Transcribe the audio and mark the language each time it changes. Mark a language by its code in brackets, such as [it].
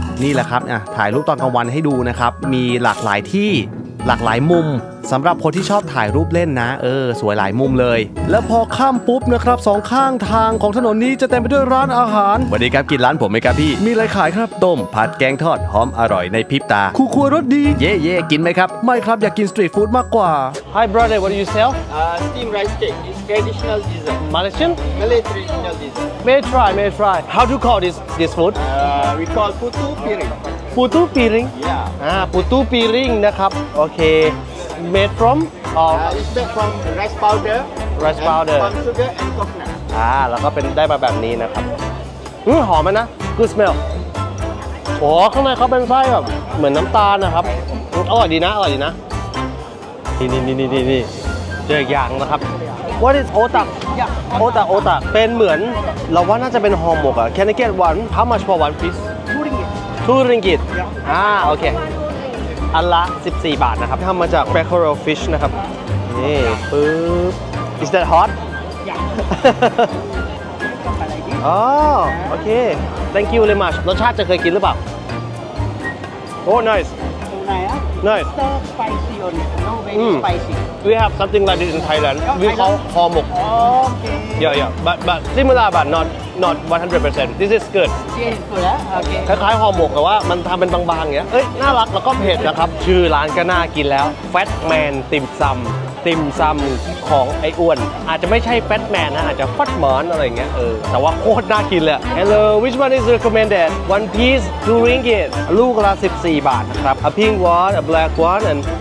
[th] นี่แหละครับถ่ายรูปตอนกลางวันให้ดูนะครับมีหลากหลายที่หลากหลายมุมสำหรับคนที่ชอบถ่ายรูปเล่นนะสวยหลายมุมเลย แล้วพอข้ามปุ๊บนะครับสองข้างทางของถนนนี้จะเต็มไปด้วยร้านอาหาร สวัสดีครับกินร้านผมไหมครับพี่มีอะไรขายครับ ต้มผัดแกงทอดหอมอร่อยในพริบตา คู่ครัวรสดี เย่กินไหมครับ ไม่ครับอยากกินสตรีทฟู้ดมากกว่า [en] Hi brother what do you sell steam rice cake is traditional dessert Malaysian Malay traditional dessert may try how to call this food we call putu piring putu piring yeah [th] putu piring นะครับโอเค [en] Made from? It's made from rice powder. Rice powder. And sugar and coconut. [th] แล้วก็เป็นได้มาแบบนี้นะครับหอมนะ [en] Good smell. [th] โอ้ข้างในเขาเป็นไส้แบบเหมือนน้ำตาลนะครับอร่อยดีนะนี่เจออีกอย่างนะครับ [en] What is otak? Otak [th] เป็นเหมือนเราว่าน่าจะเป็นห่อหมกอะ [en] Can I get one? How much for one piece? Two ringgit. [th] โอเคอันละ14บาทนะครับทำมาจาก mackerel fish นะครับนี่ปึ๊บ [en] is that hot yeah [th] อ๋อโอเค [en] thank you very much [th] รสชาติจะเคยกินหรือเปล่าโอ้ [en] nice [th] ตรงไหนอ่ะ [en] nice stir spicy on it no very spicy we have something like this in Thailand we call ห่อหมก [th] โอเค [en] yeah but similar but not 100% this is good yes [th] okay คล้ายๆห่อหมกแต่ว่ามันทำเป็นบางๆอย่างเงี้ยเอ้ยน่ารักแล้วก็เผ็ดนะครับชื่อร้านก็น่ากินแล้ว Fat Man ติ่มซำของไอ้อ้วนอาจจะไม่ใช่ Fat Man นะอาจจะ Fat Man อะไรเงี้ยแต่ว่าโคตรน่ากินเลย [en] Hello which one is recommended one piece two ringgit [th] ลูกละ14บาทนะครับ [en] a pink one a black one and